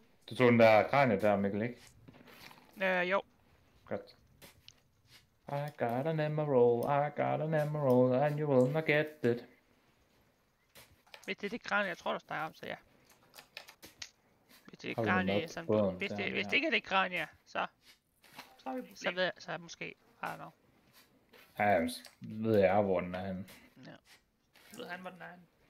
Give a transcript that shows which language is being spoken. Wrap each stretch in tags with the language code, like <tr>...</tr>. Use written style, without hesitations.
<da>Du tog den der kranje der, Mikkel, ikke? Jo. Godt.</da> <en>I got an emerald, and you will not get it.</en> <da>Hvis det er det kranje, jeg tror, du snakker om, så ja. Hvis det ikke er det kranje, ja, så... Så ved jeg, så er måske...</da> <en>I don't know.</en> <da>Ja, ved jeg, hvor den er henne. Ja. Ved han, hvor den er henne.</da>